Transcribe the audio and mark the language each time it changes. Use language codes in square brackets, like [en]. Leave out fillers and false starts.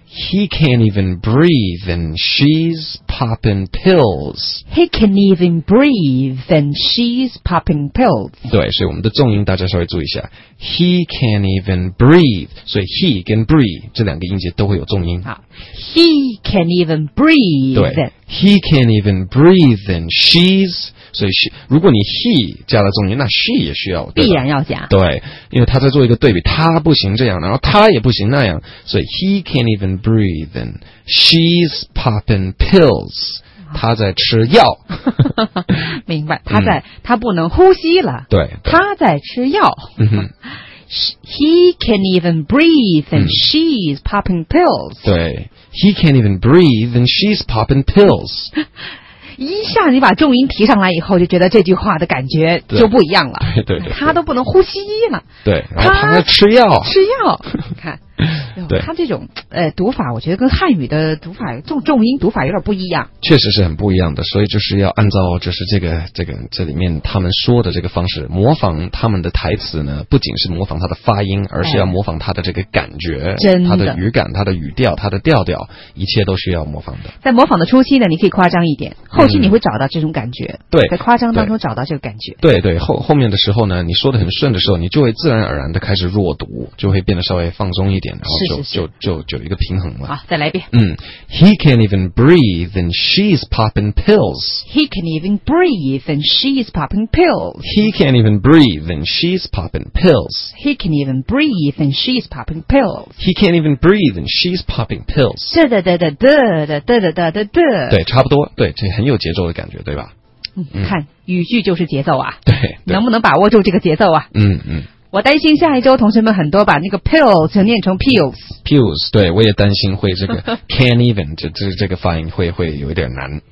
[en] He can't even breathe, and she's popping pills. He can't even breathe, and she's popping pills. [zh] 对，所以我们的重音大家稍微注意一下。 [en] He can't even breathe. [zh] 所以 he 跟 breathe 这两个音节都会有重音。 [en] 好。He can't even breathe. 对。He can't even breathe, and she's. [zh] 所以 she, 如果你 he 加了重音，那 she 也需要，必然要加。对，因为他在做一个对比，他不行这样，然后他也不行那样，所以 [en] he can't even breathe, and she's popping pills. [zh] 他在吃药。明白，他在，他不能呼吸了。对，他在吃药。 [en] He can't even breathe, and she's popping pills. 对 ，He can't even breathe, and she's popping pills. [zh] 一下你把重音提上来以后，就觉得这句话的感觉就不一样了。对对 对, 对，他都不能呼吸了。对，然后他在吃药，吃药。看，对，他这种读法，我觉得跟汉语的读法重音读法有点不一样。确实是很不一样的，所以就是要按照就是这里面他们说的这个方式模仿他们的台词呢，不仅是模仿他的发音，而是要模仿他的这个感觉，真的，他的语感、他的语调、他的调调，一切都需要模仿的。在模仿的初期呢，你可以夸张一点，后期你会找到这种感觉。对，在夸张当中找到这个感觉。对对，后面的时候呢，你说的很顺的时候，你就会自然而然的开始弱读，就会变得稍微放松一点，然后就有一个平衡了。好，再来一遍。 [en] He can't even breathe and she's popping pills. He can't even breathe and she's popping pills. He can't even breathe and she's popping pills. He can't even breathe and she's popping pills. He can't even breathe and she's popping pills. 哒哒哒哒哒哒哒哒哒哒哒。 [zh] 对，差不多，对，这很有节奏的感觉，对吧？看语句就是节奏啊，对，能不能把握住这个节奏啊？我担心下一周同学们很多把那个 pills 念成 pills。 pills， 对，我也担心会这个 [en] can't even， [zh] 这个发音会有一点难。